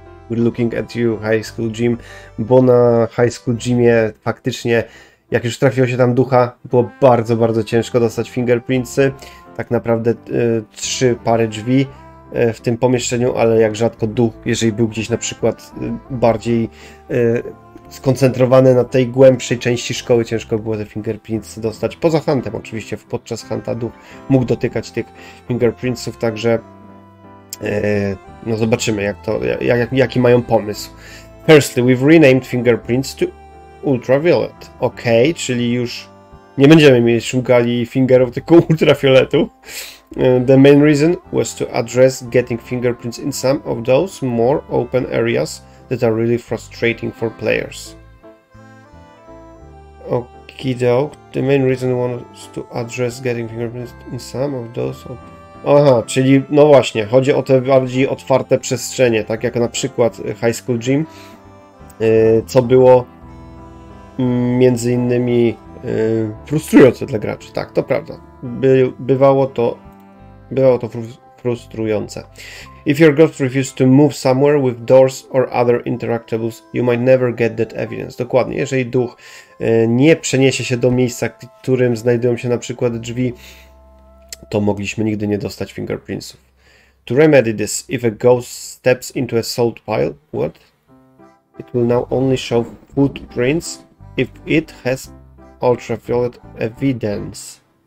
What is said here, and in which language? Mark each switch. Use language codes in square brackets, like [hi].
[en] We're looking at you, high school gym. [pl] Bo na high school gymie faktycznie, jak już trafiło się tam ducha, było bardzo, bardzo ciężko dostać fingerprintsy. Tak naprawdę trzy pary drzwi w tym pomieszczeniu, ale jak rzadko duch, jeżeli był gdzieś na przykład bardziej skoncentrowany na tej głębszej części szkoły, ciężko było te fingerprintsy dostać. Poza huntem oczywiście, podczas hunta duch mógł dotykać tych fingerprintsów, także no zobaczymy, jak to, jaki mają pomysł. [en] Firstly, we've renamed fingerprints to ultraviolet. [pl] Ok, czyli już nie będziemy mieć szukali fingerów, tylko ultrafioletu. [en] The main reason was to address getting fingerprints in some of those more open areas that are really frustrating for players. Okidok. The main reason was to address getting fingerprints in some of those open... [pl] Aha, czyli no właśnie, chodzi o te bardziej otwarte przestrzenie, tak jak na przykład High School Gym, co było między innymi frustrujące dla graczy. Tak, to prawda. Bywało to frustrujące. [en] If your ghost refuses to move somewhere with doors or other interactables, you might never get that evidence. [pl] Dokładnie, jeżeli duch nie przeniesie się do miejsca, w którym znajdują się na przykład drzwi, to mogliśmy nigdy nie dostać fingerprintsów. [en] To remedy this, if a ghost steps into a salt pile, what? It will now only show footprints if it has ultraviolet evidence.